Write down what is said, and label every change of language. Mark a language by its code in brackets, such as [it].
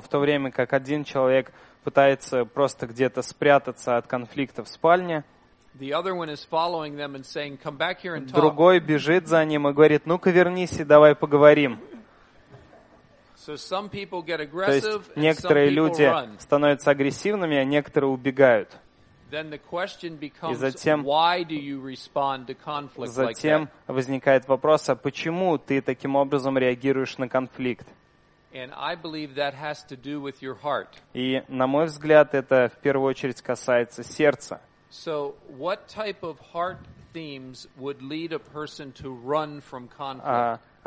[ru] в то время, как один человек пытается просто где-то спрятаться от конфликта в спальне, другой бежит за ним и говорит, ну-ка вернись и давай поговорим. [en] So some people get aggressive, [ru] то есть некоторые люди становятся агрессивными, а некоторые убегают. [en] Then the question becomes, why do you respond to conflict like that? [ru] Затем возникает вопрос, а почему ты таким образом реагируешь на конфликт? [en] And I believe that has to do with your heart. [ru] И, на мой взгляд, это в первую очередь касается сердца. [en] So what type of heart themes would lead a person to run from conflict?